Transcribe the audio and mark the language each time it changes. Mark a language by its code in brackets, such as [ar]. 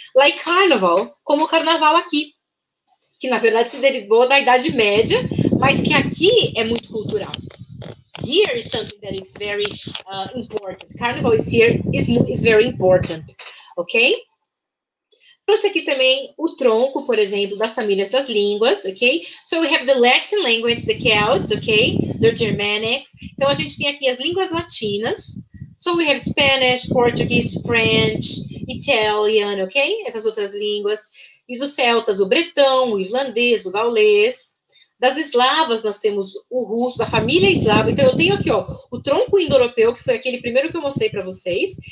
[en] Like carnival, [pt] como o carnaval aqui, que na verdade se derivou da Idade Média, mas que aqui é muito cultural. [en] Here is something that is very important. Carnival is here, is very important, ok? [pt] Trouxe aqui também o tronco, por exemplo, das famílias das línguas, ok? [en] So we have the Latin language, the Celts, ok? The Germanics. [pt] Então a gente tem aqui as línguas latinas. [en] So we have Spanish, Portuguese, French, Italian, [pt] ok? Essas outras línguas. E dos celtas, o bretão, o irlandês, o gaulês. Das eslavas, nós temos o russo, da família eslava. Então, eu tenho aqui, ó, o tronco indo-europeu, que foi aquele primeiro que eu mostrei para vocês.